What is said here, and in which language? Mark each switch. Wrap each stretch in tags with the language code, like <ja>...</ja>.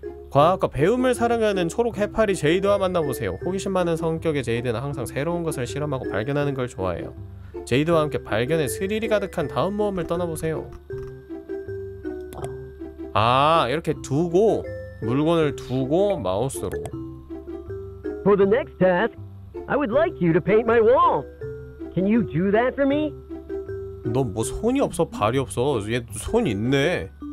<ko>과학과 배움을 사랑하는 초록 해파리 제이드와 만나보세요. 호기심 많은 성격의 제이드는 항상 새로운 것을 실험하고 발견하는 걸 좋아해요. 제이드와 함께 발견의 스릴이 가득한 다음 모험을 떠나보세요. 아, 이렇게 두고, 물건을 두고 마우스로.</ko> <en>For the next task, I would like you to paint my wall. Can you do that for me?</en> <ko>너 뭐 손이 없어, 발이 없어. 얘 손 있네.</ko>